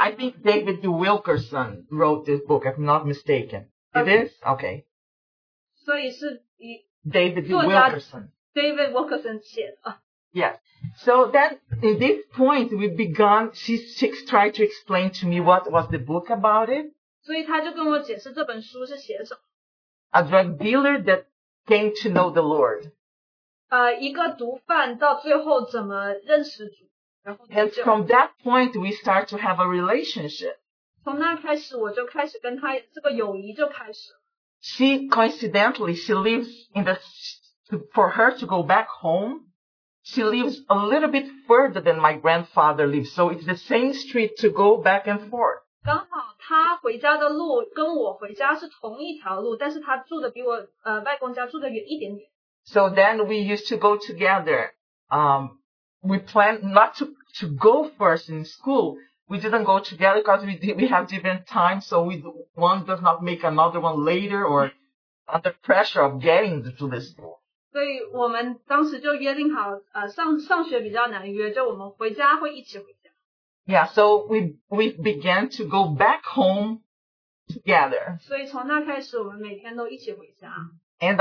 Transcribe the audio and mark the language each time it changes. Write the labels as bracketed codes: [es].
[en] I think David Wilkerson wrote this book, if I'm not mistaken. It is? Okay. [zh] 所以是David Wilkerson. David Wilkerson写的。 [en] Yes. So then, at this point, we began, she tried to explain to me what was the book about it. [zh] 所以他就跟我解释这本书是写什么。 [en] A drug dealer that came to know the Lord. [zh] 一个毒贩到最后怎么认识主, [en] and from that point, we start to have a relationship. [zh] 从那开始我就开始跟他这个友谊就开始。She [en] coincidentally, she lives in the, for her to go back home, she lives a little bit further than my grandfather lives, so it's the same street to go back and forth. [zh] 刚好他回家的路跟我回家是同一条路，但是他住的比我外公家住的远一点点。 [en] So then we used to go together. We planned not to, to go first in school. We didn't go together because we have different times, so one does not make another one later or under pressure of getting to this school. [zh] 所以我们当时就约定好，上学比较难约，就我们回家会一起回家。Yeah, [en] so we began to go back home together. [zh] 所以从那开始，我们每天都一起回家。And